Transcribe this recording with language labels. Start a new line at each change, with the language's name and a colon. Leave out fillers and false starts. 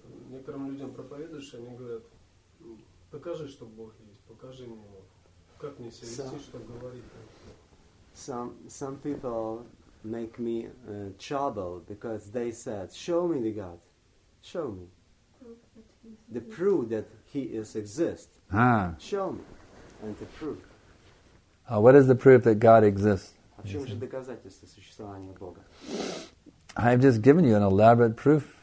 Russian: Некоторым людям проповедуешь, они говорят, покажи, что Бог есть, покажи мне, как мне себя вести, что говорить.
English: Some people make me trouble, because they said, show me the God, show me. The proof that He is exist. Show me. And the proof. What is the proof that God exists?
Russian: В чем же доказательство существования Бога?
English: I have just given you an elaborate proof.